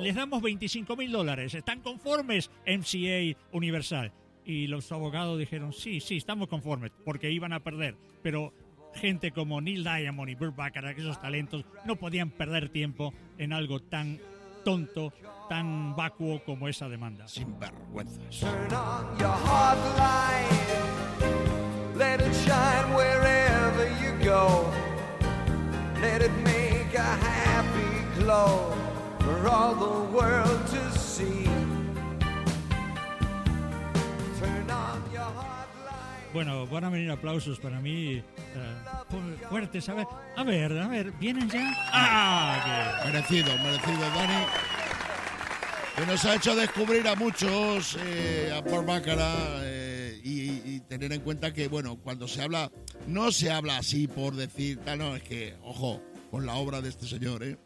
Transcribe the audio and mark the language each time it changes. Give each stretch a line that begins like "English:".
Spanish: Les damos $25,000, ¿están conformes MCA Universal? Y los abogados dijeron, sí, estamos conformes, porque iban a perder, pero gente como Neil Diamond y Burt Bacharach, esos talentos, no podían perder tiempo en algo tan tonto, tan vacuo como esa demanda. Sin vergüenzas.
English: Turn on your heart light, let it shine wherever you go, let it make a happy glow for all the world to see. Turn on your heart light.
Spanish: Bueno, van a venir aplausos para mí. Fuertes, a ver, ¿vienen ya? ¡Ah! Merecido, Dani. Que nos ha hecho descubrir a muchos, a Burt Bacharach, y tener en cuenta que, bueno, cuando se habla, no se habla así por decir tal, no, es que, ojo con la obra de este señor, ¿eh?